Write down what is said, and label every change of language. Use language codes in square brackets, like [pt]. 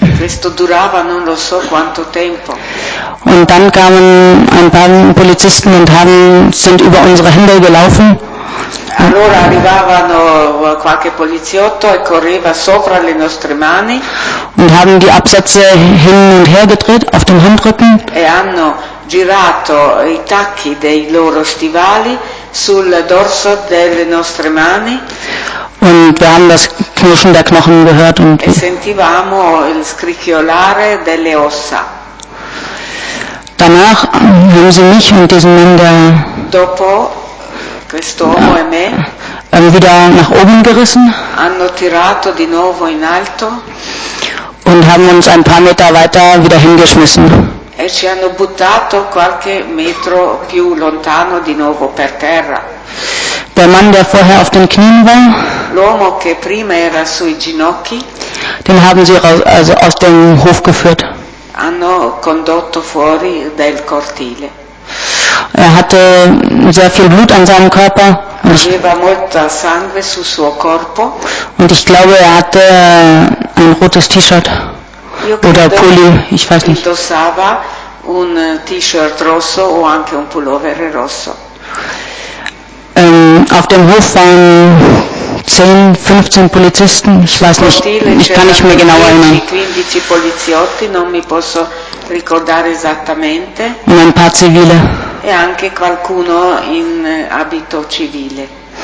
[it] Questo durava non lo so quanto tempo. [de] Und dann kamen ein paar Polizisten und sind über unsere Hände gelaufen. [it] Allora arrivavano qualche poliziotto e correva sopra le nostre mani. [de] Und haben die Absätze hin und her gedreht auf dem Handrücken. [it] E hanno girato i tacchi dei loro stivali sul dorso delle nostre mani. [de] Und wir haben das Knirschen der Knochen gehört und [it] e sentivamo il scricchiolare delle ossa. [de] Danach haben sie mich und diesen Mann, der [it] dopo questo uomo e me, [de] wieder nach oben gerissen, [it] hanno tirato di nuovo in alto [de] und haben uns ein paar Meter weiter wieder hingeschmissen. [it] E ci hanno buttato qualche metro più lontano di nuovo per terra. [de] Der Mann, der vorher auf den Knien war, [it] l'uomo che prima era sui ginocchi, [de] den haben sie also aus dem Hof geführt. [it] Hanno condotto fuori dal cortile. [de] Er hatte sehr viel Blut an seinem Körper. [it] Aveva molta sangue sul suo corpo. [de] Und ich glaube, er hatte ein rotes T-Shirt. Oder Pulli, ich weiß nicht. [it] Indossava un T-Shirt rosso o anche un pullover rosso. [de] Auf dem Hof waren 10, 15 Polizisten, ich weiß nicht, ich kann nicht mehr genau erinnern. [it] 15 poliziotti, non mi posso ricordare esattamente. [de] Und ein paar Zivile. [it] E anche qualcuno in abito civile.